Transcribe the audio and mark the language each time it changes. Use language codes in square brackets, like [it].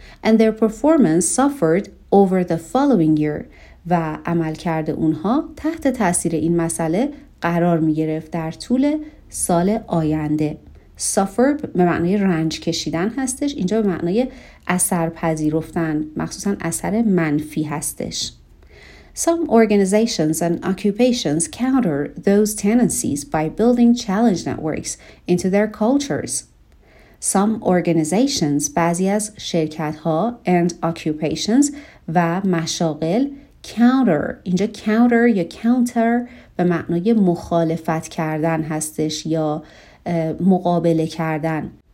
[en] And their performance suffered over the following year، [fa] و عمل کرده اونها تحت تأثیر این مسئله قرار می گرفت در طول سال آینده. Suffer به معنای رنج کشیدن هستش، اینجا به معنای اثر پذیرفتن، مخصوصا اثر منفی هستش. [en] Some organizations and occupations counter those tendencies by building challenge networks into their cultures. Some organizations، [fa] بعضی از شرکت ها، [en] and occupations [fa] و مشاغل، counter اینجا counter یا counter به معنای مخالفت کردن هستش یا مقابله کردن.